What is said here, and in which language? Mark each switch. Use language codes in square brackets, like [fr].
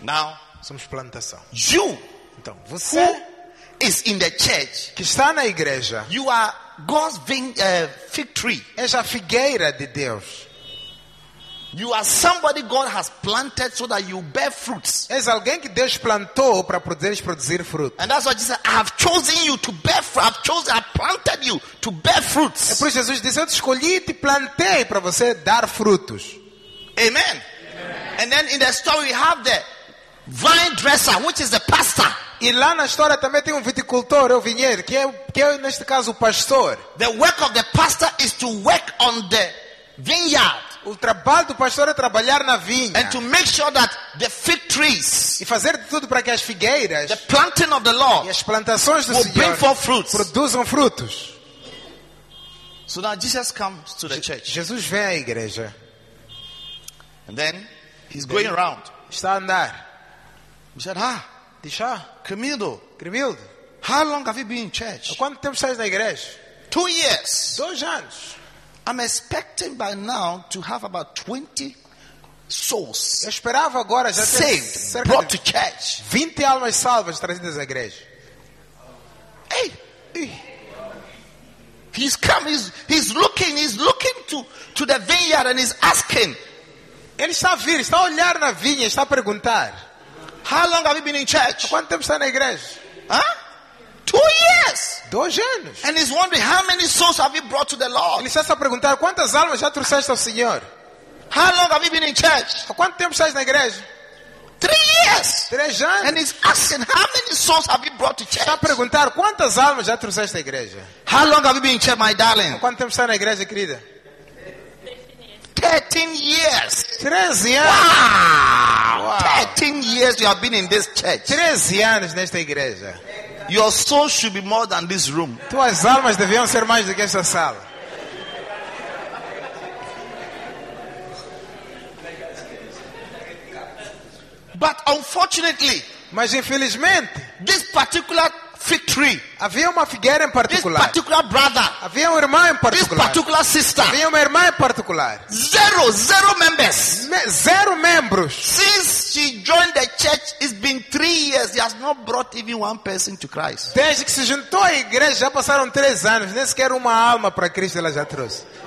[en] Now, [pt] somos plantação. [en] You, [pt] então você, [en] who is in the church, [pt] que está na igreja. [en] You are God's fig tree. [pt] És a figueira de Deus. [en] You are somebody God has planted so that you bear fruits. [pt] És alguém que Deus plantou para poderes produzir frutos. [en] And that's why Jesus said, I have chosen you to bear fruit. I planted you to bear fruits. [pt] É por isso que Jesus disse, eu te escolhi e te plantei para você dar frutos. [en] Amen. And then in the story we have the vine dresser, which is the pastor. [pt] E lá na história também tem viticultor, o vinhedo, que é neste caso o pastor. [en] The work of the pastor is to work on the vineyard. [pt] O trabalho do pastor é trabalhar na vinha. [en] And to make sure that the fig trees, [pt] e fazer de tudo para que as figueiras, [en] the planting of the Lord, [pt] e as plantações do [en] will [pt] Senhor, produzam frutos. [en] So now Jesus comes to the church. [pt] Jesus vem à igreja. [en] And then he's going around. [pt] Está a andar. [en] He said, ah, [pt] deixa. [en] Grimildo, how long have you been in church? [pt] Há quanto tempo estás na igreja? [en] 2 years. [pt] 2 anos. [en] I'm expecting by now to have about 20 souls. [pt] Eu esperava agora já [en] saved, [pt] ter [en] brought to church. [pt] 20 almas salvas trazidas à igreja. Ei, ei. [en] He's come, he's looking to the vineyard and he's asking. [pt] Ele está a vir, está a olhar na vinha, está a perguntar. [en] How long have you been in church? [pt] Há quanto tempo está na igreja? [en] Huh? 2 years. [pt] 2 anos. [en] And he's wondering how many souls have you brought to the Lord? [pt] Ele está a perguntar quantas almas já trouxeste ao Senhor? [en] How long have you been in church? [pt] Há quanto tempo estás na igreja? [en] 3 years. [pt] 3 anos. [en] And he's asking how many souls have you brought to church? [pt] Está a perguntar quantas almas já trouxeste à igreja? [en] How long have you been in church, my darling? [pt] Há quanto tempo estás na igreja, querida? [en] 13 years. [pt] 13 anos. [en] Wow. 13 years you have been in this church. [pt] 13 anos nesta igreja. [en] Your soul should be more than this room. [pt] Tuas almas deviam ser mais do que esta sala. [en] But unfortunately, [pt] mas infelizmente, [en] this particular fig tree, [pt] havia uma figueira em particular. [en] This particular brother, [pt] havia um irmão em particular. [en] This particular sister, [pt] havia uma irmã em particular. [en] Zero members. [pt] Zero membros. [en] Since she joined the church, it's been 3 years. He has not brought even one person to Christ. [pt] Desde que se juntou à igreja já passaram 3 anos. Nem sequer uma alma para Cristo ela já trouxe.